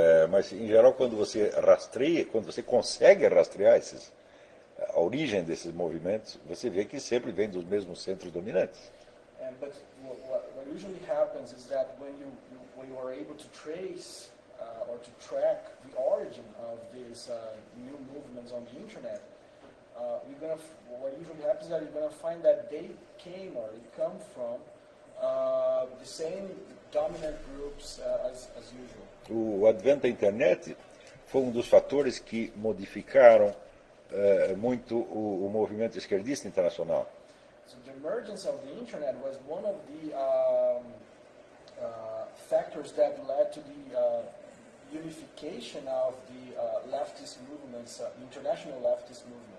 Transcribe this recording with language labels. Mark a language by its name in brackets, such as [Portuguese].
[Portuguese] Mas em geral, quando você rastreia, quando você consegue rastrear a origem desses movimentos, você vê que sempre vem dos mesmos centros dominantes. [English] But what usually happens is that when you are able to trace or to track the origin of these new movements on the internet, what usually happens is that you're going to find that they came or they come from the same dominant groups as usual. [Portuguese] O advento da internet foi dos fatores que modificaram muito o movimento esquerdista internacional. [English] So the emergence of the internet was one of the factors that led to the unification of the leftist movements, international leftist movement.